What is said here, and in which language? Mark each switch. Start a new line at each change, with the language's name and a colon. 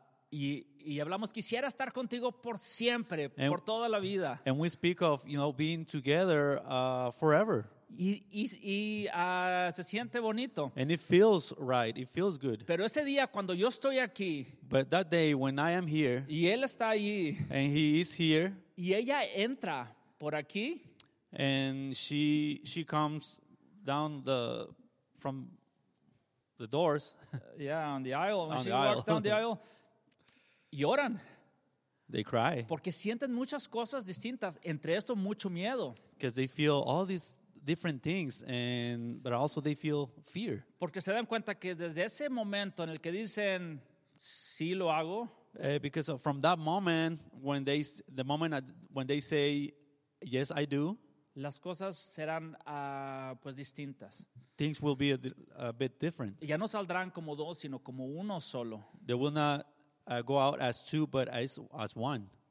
Spanish: Y hablamos, quisiera estar contigo por siempre, and, por toda la vida.
English: And we speak of, being together forever.
Spanish: Y se siente bonito.
English: And it feels right. It feels good.
Spanish: Pero ese día cuando yo estoy aquí.
English: But that day when I am here.
Spanish: Y él está allí.
English: And he is here.
Spanish: Y ella entra por aquí.
English: And she comes down from the doors. Yeah, on the aisle. When she walks down the aisle. Lloran. They cry.
Spanish: Porque sienten muchas cosas distintas. Entre esto, mucho miedo.
English: Because they feel all these different things, but also they feel fear.
Spanish: Porque se dan cuenta que desde ese momento en el que dicen sí lo hago.
English: Because from that moment when they say yes I do.
Spanish: Las cosas serán pues distintas.
English: Things will be a bit different.
Spanish: Ya no saldrán como dos, sino como uno solo.
English: They will not go out as two, but as one.